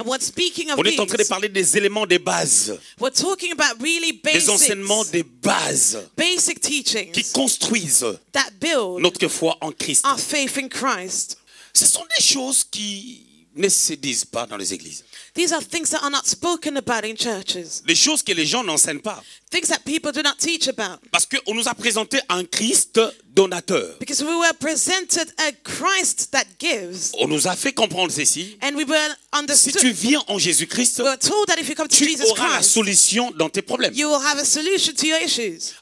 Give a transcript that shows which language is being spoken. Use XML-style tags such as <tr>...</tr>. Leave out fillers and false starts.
<en>and when speaking of</en> <fr>on est en train de parler des éléments des bases.</fr> <en>We're talking about really basics,</en> <fr>des enseignements des bases</fr> <en>basic teachings,</en> <fr>qui construisent</fr> <en>that build</en> <fr>notre foi en Christ.</fr> <en>Our faith in Christ.</en> <fr>Ce sont des choses qui ne se disent pas dans les églises.</fr> <en>These are things that are not spoken about in churches.</en> <fr>Les choses que les gens n'enseignent pas.</fr> <en>Things that people do not teach about.</en> <fr>Parce que on nous a présenté un Christ donateur.</fr> <en>Because we were presented a Christ that gives.</en> <fr>On nous a fait comprendre ceci.</fr> <en>And we were understood.</en> <fr>Si tu viens en Jésus-Christ,</fr> <en>we were told that if you come to Jesus Christ,</en> <fr>tu auras la solution dans tes problèmes.</fr> <en>You will have a solution to your issues.</en>